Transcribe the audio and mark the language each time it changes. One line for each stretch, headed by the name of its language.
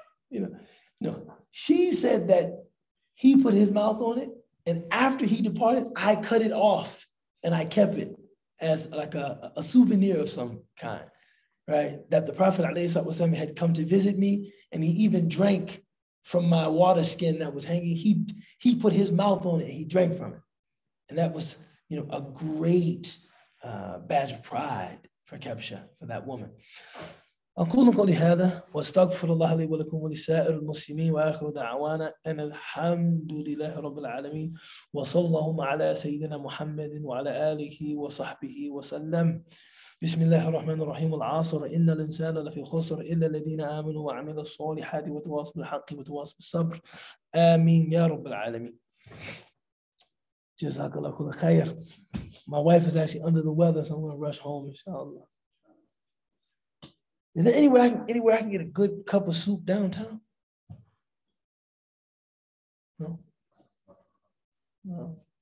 English: You know, no. She said that he put his mouth on it, and after he departed, I cut it off and I kept it as like a souvenir of some kind, right? That the Prophet ﷺ had come to visit me, and he even drank from my water skin that was hanging. He put his mouth on it and he drank from it. And that was, you know, a great badge of pride for Kabsha, for that woman.
Arabic: أقول قولي هذا واستغفر الله لي ولكم ولسائر المسلمين وآخر دعوانا أن الحمد لله رب العالمين وصلى الله على سيدنا محمد وعلى آله وصحبه وسلم بسم الله الرحمن الرحيم العصر إن الإنسان لفي خسر إلا الذين آمنوا وعملوا الصالحات وتواصوا بالحق وتواصوا بالصبر آمين يا رب العالمين جزاك الله كل خير.
English: My wife is actually under the weather, so I'm going to rush home inshallah. Is there anywhere I can get a good cup of soup downtown? No? No.